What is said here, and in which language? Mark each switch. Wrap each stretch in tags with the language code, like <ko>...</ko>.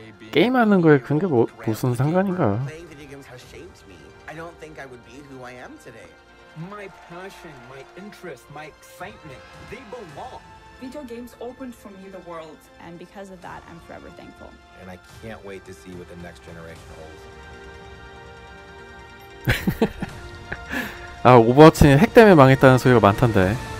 <ko>게임하는 거에 그런 게 무슨 상관인가요?</ko> <en>Playing video games has shaped me. I don't think I would be who I am today. My passion, my interest, my excitement, they belong. Video games opened for me the world, and because of that, I'm forever thankful. And I can't wait to see what the next generation holds.</en> <ko>아, 오버워치는 핵 때문에 망했다는 소리가 많던데.</ko>